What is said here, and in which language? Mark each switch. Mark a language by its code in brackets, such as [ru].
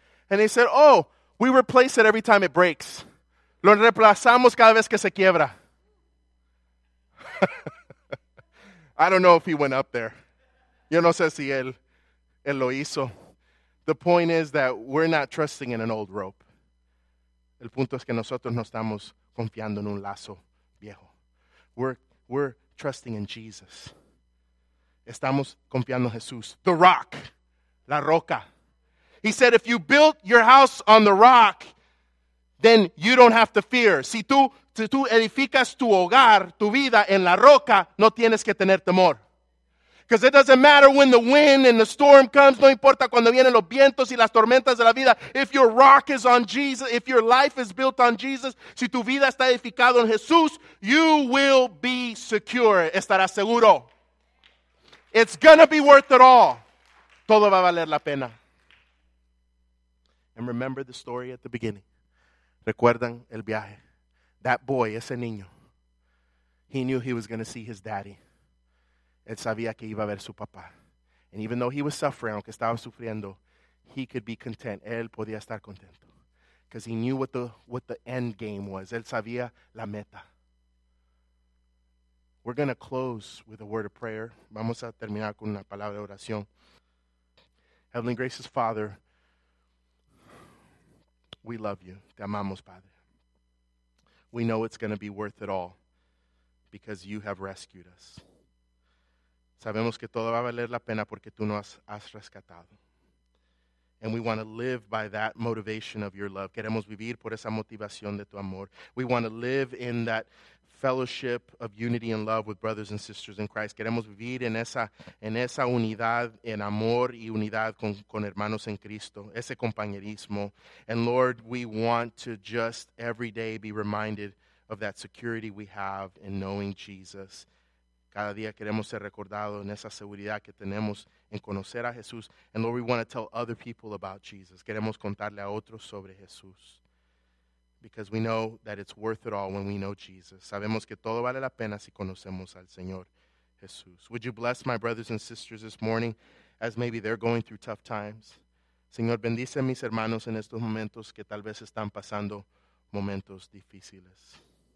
[en] And he said, oh, we replace it every time it breaks. [es] Lo reemplazamos cada vez que se quiebra. [en] I don't know if he went up there. [es] Yo no sé si él lo hizo. [en] The point is that we're not trusting in an old rope. [es] El punto es que nosotros no estamos confiando en un lazo viejo. [en] We're trusting in Jesus. [es] Estamos confiando en Jesús. [en] The rock. [es] La roca. [en] He said, if you built your house on the rock, then you don't have to fear. [es] Si tú edificas tu hogar, tu vida en la roca, no tienes que tener temor. [en] Because it doesn't matter when the wind and the storm comes. [es] No importa cuando vienen los vientos y las tormentas de la vida. [en] If your rock is on Jesus, if your life is built on Jesus, [es] si tu vida está edificada en Jesús, [en] you will be secure. [es] Estarás seguro. [en] It's going to be worth it all. [es] Todo va a valer la pena. [en] And remember the story at the beginning. [es] Recuerdan el viaje. [en] That boy, [es] ese niño, [en] he knew he was going to see his daddy. [es] Él sabía que iba a ver su papá. [en] And even though he was suffering, [es] aunque estaba sufriendo, [en] he could be content. Él podía estar contento. Because he knew what the end game was. [es] Él sabía la meta. [en] We're going to close with a word of prayer. [es] Vamos a terminar con una palabra de oración. [en] Heavenly Gracious Father, we love you. [es] Te amamos, Padre. [en] We know it's going to be worth it all because you have rescued us. [es] Sabemos que todo va a valer la pena porque tú nos has rescatado. [en] And we want to live by that motivation of your love. [es] Queremos vivir por esa motivación de tu amor. [en] We want to live in that fellowship of unity and love with brothers and sisters in Christ. [es] Queremos vivir en esa unidad, en amor y unidad con hermanos en Cristo, ese compañerismo. [en] And Lord, we want to just every day be reminded of that security we have in knowing Jesus. [es] Cada día queremos ser recordados en esa seguridad que tenemos en conocer a Jesús. [en] And Lord, we want to tell other people about Jesus. [es] Queremos contarle a otros sobre Jesús. [en] Because we know that it's worth it all when we know Jesus. [es] Sabemos que todo vale la pena si conocemos al Señor Jesús. [en] Would you bless my brothers and sisters this morning as maybe they're going through tough times? [es] Señor, bendice a mis hermanos en estos momentos que tal vez están pasando momentos difíciles.